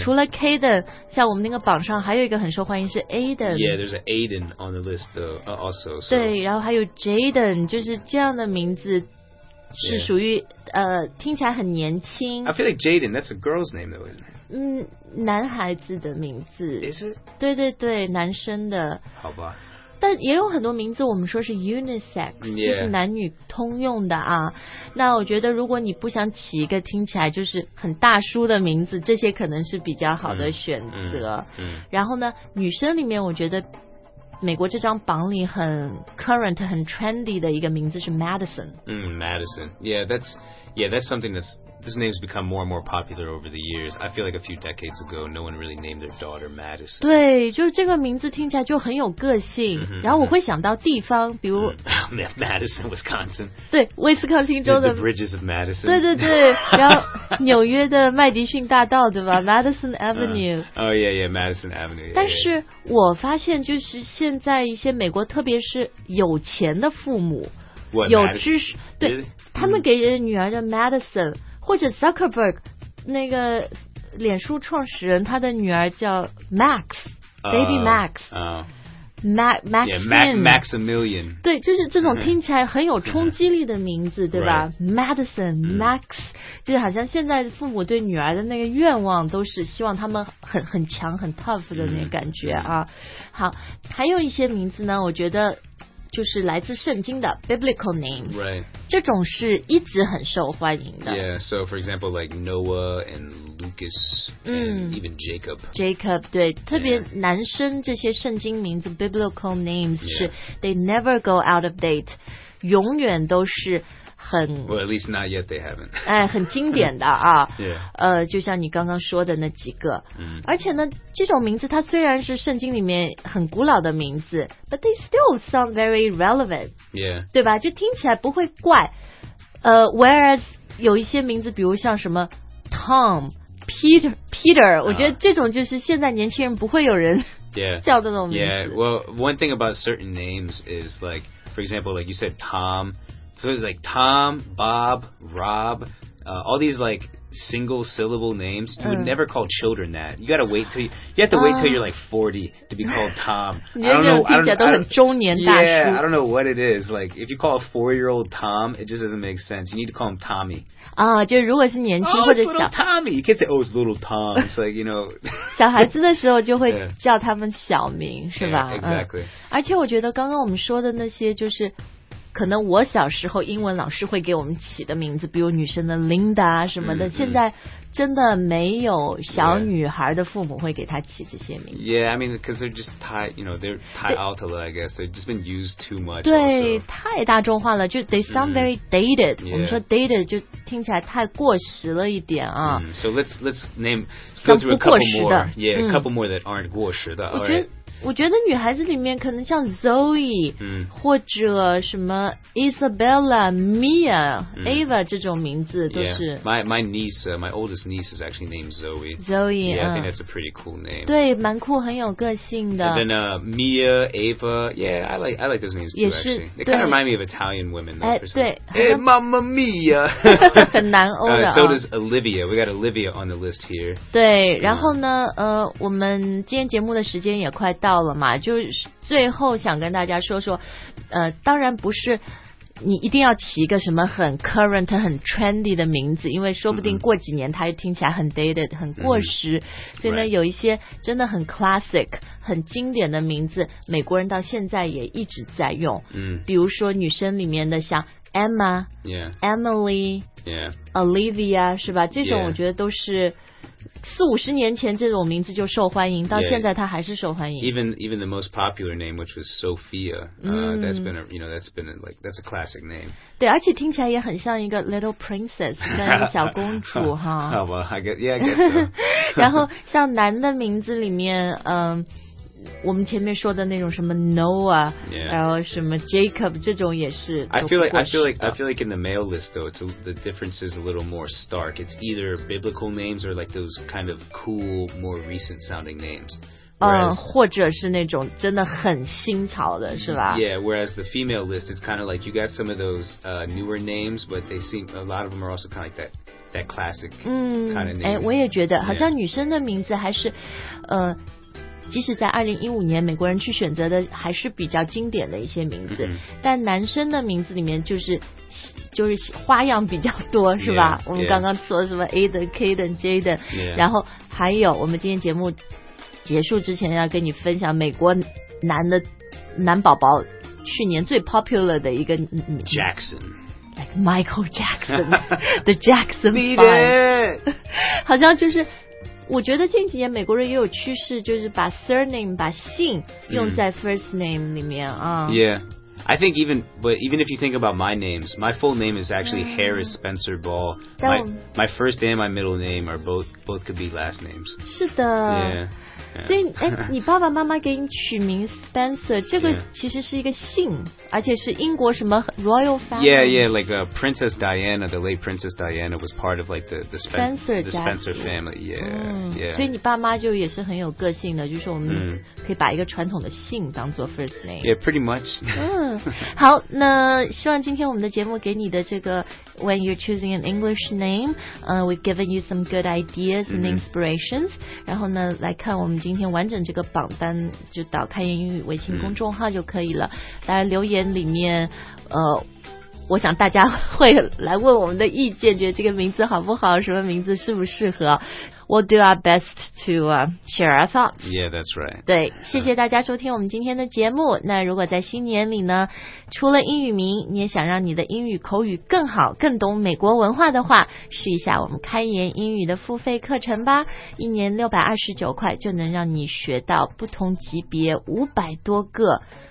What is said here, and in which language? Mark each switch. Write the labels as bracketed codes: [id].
[zh] 除了 Caden, 像我们那个榜上还有一个很受欢迎是 Aiden. [en] Yeah, there's an Aiden on the list though, also.、So. [zh] 对，然后还有 Jaden, 就是这样的名字是属于、 [en] yeah. [zh] 听起来很年轻。 [en] I feel like Jaden, that's a girl's name though, isn't it? [zh] 男孩子的名字。 [en] Is it? [zh] 对对对，男生的。好吧。但也有很多名字我们说是 unisex、 [en] yeah. [zh] 就是男女通用的啊，那我觉得如果你不想起一个听起来就是很大叔的名字，这些可能是比较好的选择、然后呢女生里面我觉得美国这张榜里很 current 很 trendy 的一个名字是 Madison、 [en] Madison that's something that's this name's become more and more popular over the years. I feel like a few decades ago, no one really named their daughter Madison. [zh] 对，就是这个名字听起来就很有个性。 Mm-hmm. 然后我会想到地方，比如、 [en] Madison, Wisconsin. [zh] 对，威斯康星州的 [en] the Bridges of Madison. [zh] 对对对，然后纽约的麦迪逊大道，对吧 ？Madison Avenue. [en] Madison Avenue. Yeah, [zh] 但是我发现，就是现在一些美国，特别是有钱的父母， [en] what, [zh] 有知识， [en] Madison? [zh] 对、 [en] really? [zh] 他们给女儿的 Madison。或者 Zuckerberg 那个脸书创始人他的女儿叫 Max Baby Max [en] Maximilian [zh] 对就是这种听起来很有冲击力的名字对吧、 [en] right. [zh] Madison Max 就好像现在父母对女儿的那个愿望都是希望他们很强很 tough 的那个感觉啊。好还有一些名字呢我觉得就是来自圣经的 biblical names、 [en] right. [zh] 这种是一直很受欢迎的 [en] yeah so for example like Noah and Lucas、and even Jacob [zh] 对特别男生这些圣经名字 biblical names、 [en] yeah. [zh] 是 [en] they never go out of date [zh] 永远都是很 [en] Well, at least not yet they haven't. [zh] 哎，很经典的啊。 [en] Yeah. [zh] 就像你刚刚说的那几个。 Mm. 而且呢，这种名字它虽然是圣经里面很古老的名字 ， [en] but they still sound very relevant. Yeah. [zh] 对吧？就听起来不会怪。 Whereas 有一些名字，比如像什么 Tom、Peter， 我觉得这种就是现在年轻人不会有人。 [en] Yeah. [zh] 叫这种名字。 [en] Well, one thing about certain names is like, for example, like you said, Tom. So it's like Tom, Bob, Rob, all these like single syllable names. You would never call children that. You gotta wait till you have to wait till you're like 40 to be called Tom. I don't know what it is. Like if you call a 4-year old Tom, it just doesn't make sense. You need to call him Tommy. [zh] 啊，就如果是年轻或者小 [en] Oh, it's little Tommy. You can't say, oh, it's little Tom. It's like, you know. [zh] 小孩子的时候就会叫他们小名，是吧？ [en] Yeah, exactly. [zh] 而且我觉得刚刚我们说的那些就是可能我小时候英文老师会给我们起的名字，比如女生的 Linda 什么的，嗯嗯，现在真的没有小女孩的父母会给她起这些名字。 [en] Yeah, I mean, because they're just tied, you know, they're tied out a little, I guess. They've just been used too much. [zh] 对， [en] also. [zh] 太大众化了，就 [en] they sound very dated.、 Yeah. [zh] 我们说 dated 就听起来太过时了一点啊。 Mm-hmm. [en] So let's name let's go through a couple more. Yeah, a couple more that aren't [zh] 过时的。我觉得女孩子里面可能像 Zoe、或者什么 Isabella, Mia,、Ava 这种名字都是、 [en] My niece, my oldest niece is actually named Zoe. Zoe, yeah, I think that's a pretty cool name. [zh] 对，蛮酷，很有个性的。 [en] And then Mia, Ava, yeah, I like those names too, actually. They kind of remind me of Italian women. Though, [zh] 哎，对。 [en] Hey, Mamma Mia! [zh] 很南欧的、 [en] So does Olivia. We got Olivia on the list here. [zh] 对，然后呢、我们今天节目的时间也快到了嘛，就是最后想跟大家说说，当然不是你一定要起一个什么很 current 很 trendy 的名字，因为说不定过几年它又听起来很 dated 很过时、所以呢、 [en] right. [zh] 有一些真的很 classic 很经典的名字美国人到现在也一直在用、比如说女生里面的像 Emma、Emily、Olivia 是吧，这种我觉得都是四五十年前这种名字就受欢迎，到现在它还是受欢迎。 [en] Yeah, even the most popular name, which was Sophia,、that's been a, you know, that's been a, like that's a classic name. [zh] 对，而且听起来也很像一个 [en] little princess, [zh] 像一个小公主哈。 [en] Oh, well, I guess so. [zh] 然后像男的名字里面，我们前面说的那种什么 Noah、然后什么 Jacob 这种也是 [en] I feel like in the male list though it's the difference is a little more stark. It's either biblical names or like those kind of cool more recent sounding names. [zh] Whereas, 或者是那种真的很新潮的是吧 [en] Yeah, whereas the female list it's kind of like you got some of those newer names but they seem a lot of them are also kind of like that classic kind of name. [zh] 哎，我也觉得好像女生的名字还是、即使在2015年美国人去选择的还是比较经典的一些名字、但男生的名字里面就是花样比较多是吧 [en] yeah, [zh] 我们刚刚说什么 Aiden, Kaden, Jaden、 [en] yeah. [zh] 然后还有我们今天节目结束之前要跟你分享美国男的男宝宝去年最 popular 的一个 [en] Jackson like Michael Jackson the Jackson 5 <Beat it! [zh] 笑> 好像就是我觉得近几年美国人也有趋势，就是把 surname 把姓用在 first name 里面啊。 [en] Yeah, I think even if you think about my names, my full name is actually Harris Spencer Ball. My first and my middle name are both could be last names. [zh] 是的。 [en] Yeah. [zh] 所以，哎，你爸爸妈妈给你取名 Spencer， 这个其实是一个姓，而且是英国什么 royal family。 [en] Yeah, like Princess Diana, the late Princess Diana was part of like the Spencer the Spencer family. Yeah, yeah. [zh] 所以你爸妈就也是很有个性的，就是我们可以把一个传统的姓当做 first name。 [en] Yeah, pretty much. [zh] 好，那希望今天我们的节目给你的这个 [en] when you're choosing an English name, we've given you some good ideas and inspirations.、 [zh] 然后呢，来看我们今天完整这个榜单，就导开英语微信公众号就可以了。当然留言里面，我想大家会来问我们的意见，觉得这个名字好不好，什么名字适不适合。 [en] We'll do our best to share our thoughts. Yeah, that's right. [zh] 对，谢谢大家收听我们今天的节目。那如果在新年里呢，除了英语名，你也想让你的英语口语更好，更懂美国文化的话，试一下我们开言英语的付费课程吧。一年629块，就能让你学到不同级别500多个